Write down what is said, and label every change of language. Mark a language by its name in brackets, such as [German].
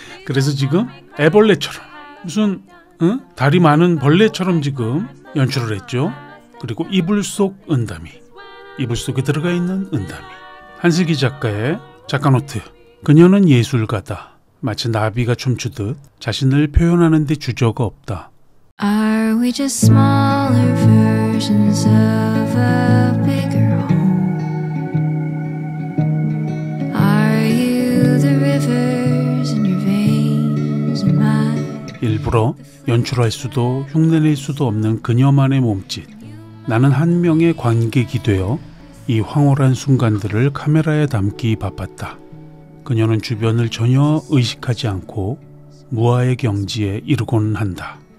[Korean] 그래서 지금 애벌레처럼 무슨 응? 다리 많은 벌레처럼 지금 연출을 했죠. 그리고 이불 속 은담이. 이불 속에 들어가 있는 은담이. 한슬기 작가의 작가 노트. 그녀는 예술가다. 마치 나비가 춤추듯 자신을 표현하는 데 주저가 없다. [English] Are we just smaller versions of a bigger home? Are you the rivers in your veins and mine? [Korean] 일부러 연출할 수도 흉내낼 수도 없는 그녀만의 몸짓. 나는 한 명의 관객이 되어 이 황홀한 순간들을 카메라에 담기 바빴다. 그녀는 주변을 전혀 의식하지 않고 무아의 경지에 이르곤 한다.